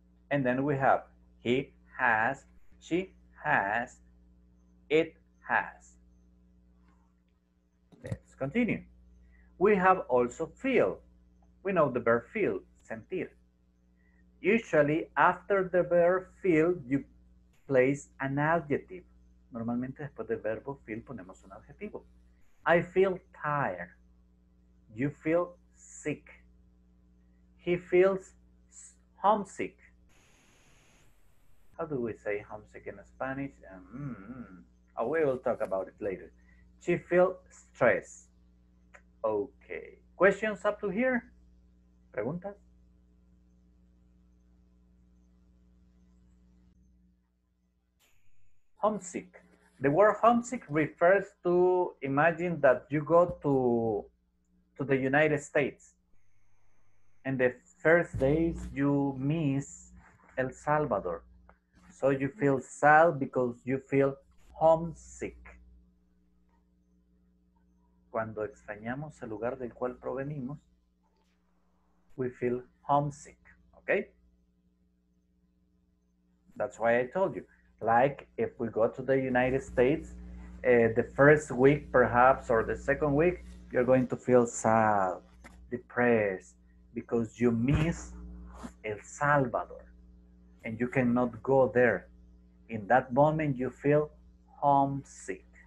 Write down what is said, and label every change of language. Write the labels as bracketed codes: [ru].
[en] And then we have he has, she has, it has. Let's continue. We have also feel. We know the verb feel, sentir. Usually after the verb feel, you place an adjective. [es] Normalmente después del verbo feel ponemos un adjetivo. [en] I feel tired. You feel sick. He feels homesick. How do we say homesick in Spanish? Oh, we will talk about it later. She feels stressed. Okay. Questions up to here? [es] Preguntas? [en] Homesick. The word homesick refers to, imagine that you go to the United States. And the first days you miss El Salvador. So you feel sad because you feel homesick. [es] Cuando extrañamos el lugar del cual provenimos, [en] we feel homesick, okay? That's why I told you. Like if we go to the United States, the first week perhaps, or the second week, you're going to feel sad, depressed, because you miss El Salvador. And you cannot go there. In that moment, you feel homesick.